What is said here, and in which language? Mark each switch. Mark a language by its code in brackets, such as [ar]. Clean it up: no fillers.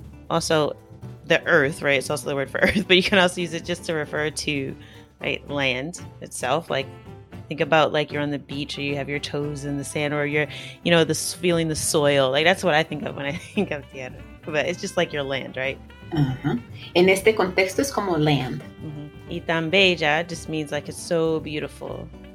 [en] Also the earth, right? It's also the word for earth, but you can also use it just to refer to like land itself. Like think about like you're on the beach or you have your toes in the sand or you're, you know, the feeling the soil. Like that's what I think of when I think of tierra. But it's just like your land, right? [es] En este contexto es como land. Y tan bella [en] just means like it's so beautiful.